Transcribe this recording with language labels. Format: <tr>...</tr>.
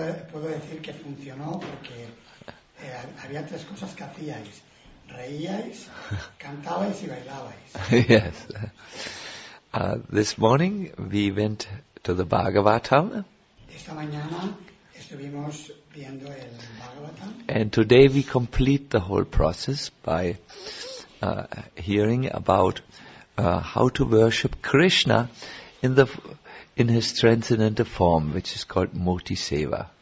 <es>Puedo decir que funcionó porque había tres cosas que hacíais: reíais, cantabais y bailabais.</es> <en>Yes. This morning we went to the Bhagavatam.</en> <es>Esta mañana estuvimos viendo el Bhagavatam.</es> <en>And today we complete the whole process by hearing about how to worship Krishna in his transcendental form, which is called Moti Seva.</en>